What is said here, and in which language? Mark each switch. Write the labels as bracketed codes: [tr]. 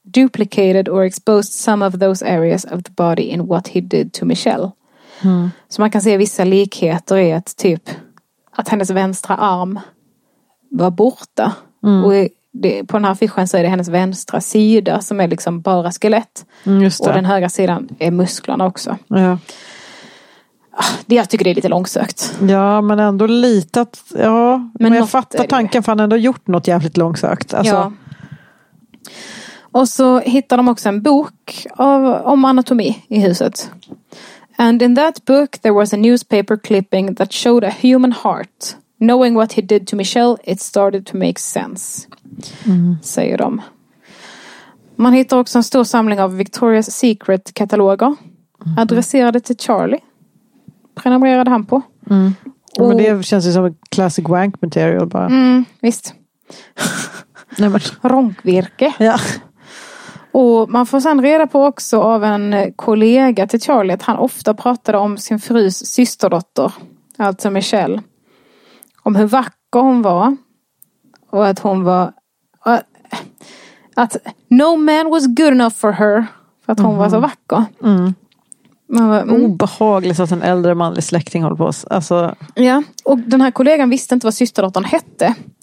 [en] duplicated or exposed some of those areas of the body in what he did to Michelle. Mm. [sv] Så man kan se vissa likheter i att typ att hennes vänstra arm var borta. Mm. Och det, på den här fischen så är det hennes vänstra sida som är liksom bara skelett. Mm, just det. Och den högra sidan är musklerna också. Ja. Det, jag tycker det är lite långsökt. Ja, men ändå lite att, ja, men jag fattar tanken, för han ändå gjort något jävligt långsökt. Alltså. Ja. Och så hittar de också en bok av, om anatomi i huset. [en] And in that book there was a newspaper clipping that showed a human heart. Knowing what he did to Michelle, it started to make sense. Mm. [sv] Säger de. Man hittar också en stor samling av Victoria's Secret-kataloger. Mm. Adresserade till Charlie. Prenumererade han på. Mm. Och, men det känns ju som en [en] classic wank material [sv] bara. Mm, visst. Ronkvirke. Ja. Och man får sedan reda på också av en kollega till Charlie att han ofta pratade om sin frus systerdotter, alltså Michelle. Om hur vacker hon var. Och att hon var... Att [en] no man was good enough for her. [sv] För att hon var så vacker. Mm. Man var, obehagligt att en äldre manlig släkting håller på oss. Alltså... Ja, och den här kollegan visste inte vad systerdottern hette.